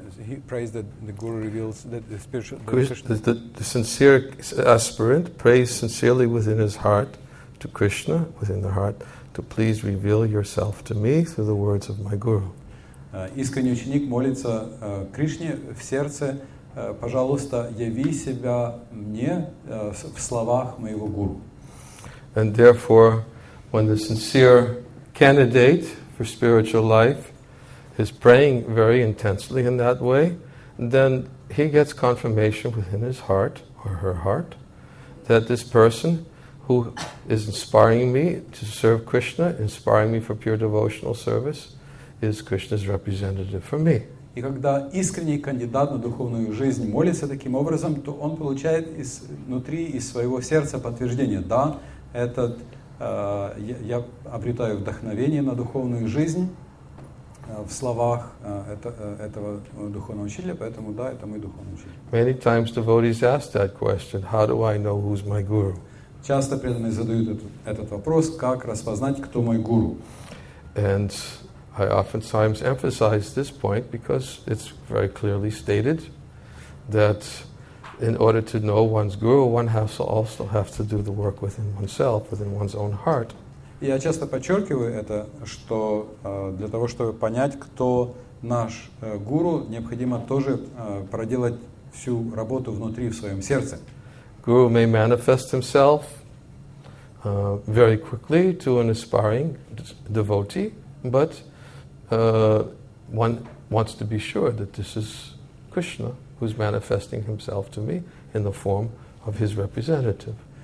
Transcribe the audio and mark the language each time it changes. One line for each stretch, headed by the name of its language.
English: He prays that the guru reveals that the spiritual. The sincere aspirant prays sincerely within his heart to Krishna, within the heart, to please reveal yourself to me through the words of my guru.
Russian: Искренний ученик молится Кришне в сердце. Пожалуйста, яви себя мне в словах моего гуру.
English: And therefore, when the sincere candidate for spiritual life, is praying very intensely in that way, then he gets confirmation within his heart or her heart that this person who is inspiring me to serve Krishna, inspiring me for pure devotional service, is Krishna's representative for me.
Russian: И когда искренний кандидат на духовную жизнь молится таким образом, то он получает из внутри из своего сердца подтверждение: да, этот я обретаю вдохновение на духовную жизнь в словах этого духовного учителя, поэтому да, это мой духовный учитель.
English: Many times devotees ask that question: how do I know who's my guru?
Russian: Часто преданные задают этот вопрос: как распознать, кто мой гуру?
English: And I oftentimes emphasize this point because it's very clearly stated that in order to know one's guru, one has to also have to do the work within oneself, within one's own heart.
Russian: Я часто подчеркиваю это, что для того, чтобы понять, кто наш гуру, необходимо тоже проделать всю работу внутри в своем сердце.
English: Guru may manifest himself very quickly to an aspiring devotee, but one wants to be sure that this is Krishna who's manifesting himself to me in the form of his representative.